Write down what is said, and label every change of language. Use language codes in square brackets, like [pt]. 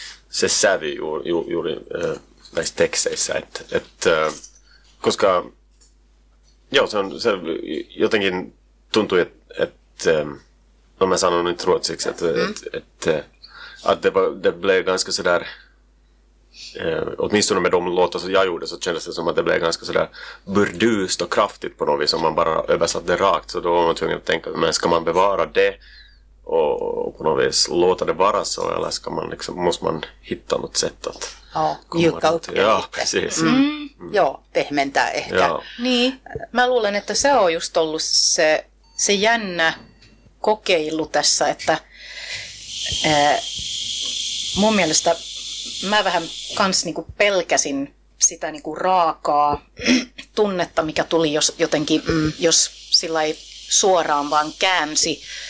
[fi] se sävy juuri näissä teksteissä, että koska joo, se jotenkin tuntui, että no mä sanon nyt ruotsiksi, että [sv] det blev ganska så där. Åtminstone med de låtar som jag gjorde så kändes det som att det blev ganska sådär burdust och kraftigt på något vis om man bara översatte det rakt. Så då var man tvungen att tänka, men ska man bevara det och på något vis låta det vara så, eller ska man liksom, måste man hitta något sätt att mjuka upp det. Ja, precis. [fi] Ja, pehmentä ehkä. Ja. Niin, mä luulen, että se on just ollut se jännä kokeilu tässä, että mun mielestä mä vähän kans niinku pelkäsin sitä niinku raakaa tunnetta, mikä tuli jos sillä ei suoraan vaan käänsi.